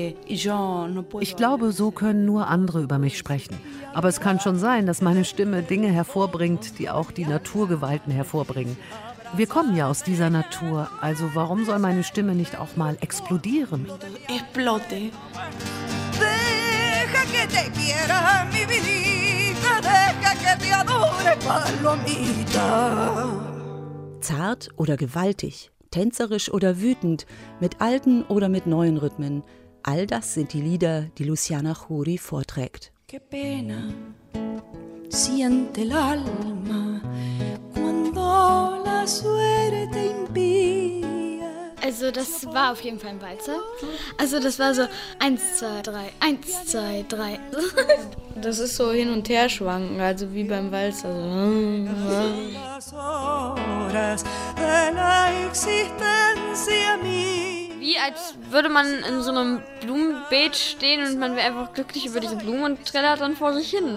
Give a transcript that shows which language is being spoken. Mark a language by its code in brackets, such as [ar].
[de] Ich glaube, so können nur andere über mich sprechen. Aber es kann schon sein, dass meine Stimme Dinge hervorbringt, die auch die Naturgewalten hervorbringen. Wir kommen ja aus dieser Natur, also warum soll meine Stimme nicht auch mal explodieren? [en] Explode. [es] Deja que te quiera mi vida, deja que te adore palomita. [de] Zart oder gewaltig? Tänzerisch oder wütend, mit alten oder mit neuen Rhythmen. All das sind die Lieder, die Luciana Jury vorträgt. [es] Qué pena siente el alma cuando la suerte impía. [de] Also das war auf jeden Fall ein Walzer. Also das war so 1, 2, 3, 1, 2, 3. Das ist so hin und her schwanken, also wie beim Walzer. Wie als würde man in so einem Blumenbeet stehen und man wäre einfach glücklich über diese Blumen und trällert dann vor sich hin.